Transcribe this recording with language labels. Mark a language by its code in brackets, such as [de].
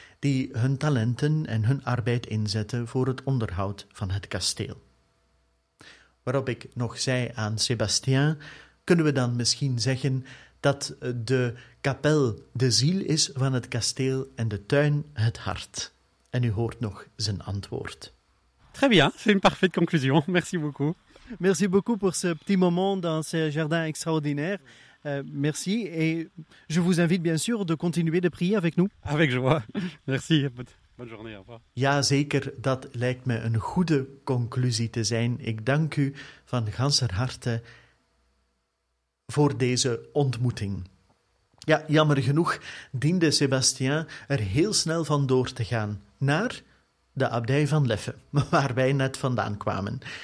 [nl] die hun talenten en hun arbeid inzetten voor het onderhoud van het kasteel. Waarop ik nog zei aan Sébastien, kunnen we dan misschien zeggen dat de kapel de ziel is van het kasteel en de tuin het hart? En u hoort nog zijn antwoord. [fr] Très bien, c'est une parfaite conclusion. Merci beaucoup. Merci beaucoup pour ce petit moment dans ce jardin extraordinaire. Merci et je vous invite bien sûr de continuer de prier avec nous. Avec joie. Merci. Bonne journée. Au revoir. [nl] Ja, zeker. Dat lijkt me een goede conclusie te zijn. Ik dank u van ganser harte voor deze ontmoeting. Ja, jammer genoeg diende Sébastien er heel snel van door te gaan naar de abdij van Leffe, waar wij net vandaan kwamen.